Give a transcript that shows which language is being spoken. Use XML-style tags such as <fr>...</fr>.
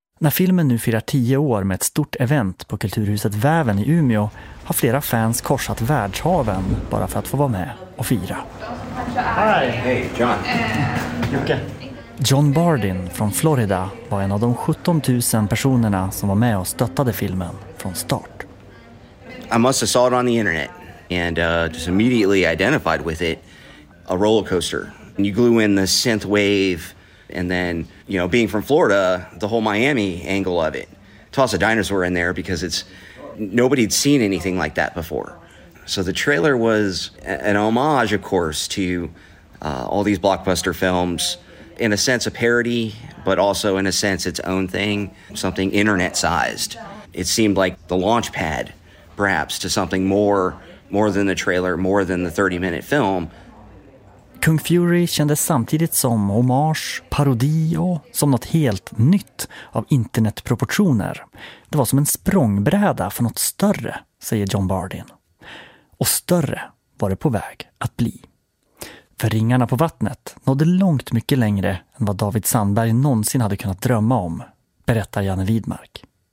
<sv>När filmen nu firar 10 år med ett stort event på Kulturhuset Väven i Umeå har flera fans korsat världshaven bara för att få vara med och fira.</sv> <en>Hi. Hey, John. Jocke.</en> <sv>John Bardeen från Florida var en av de 17 000 personerna som var med och stöttade filmen från start.</sv> <en>I must have saw it on the internet and just immediately identified with it, a roller coaster. And you glue in the synth wave and then, you know, being from Florida, the whole Miami angle of it. Toss a dinosaur in there because it's nobody had seen anything like that before. So the trailer was an homage, of course, to all these blockbuster films. In a sense, a parody, but also in a sense, its own thing, something internet-sized. It seemed like the launch pad, perhaps, to something more than the trailer, more than the 30-minute film.</en> <sv>Kung Fury kändes samtidigt som homage, parodi och som något helt nytt av internetproportioner. Det var som en språngbräda för något större, säger John Bardeen. Och större var det på väg att bli. För ringarna på vattnet nådde långt mycket längre än vad David Sandberg någonsin hade kunnat drömma om, berättar Janne Widmark.</sv>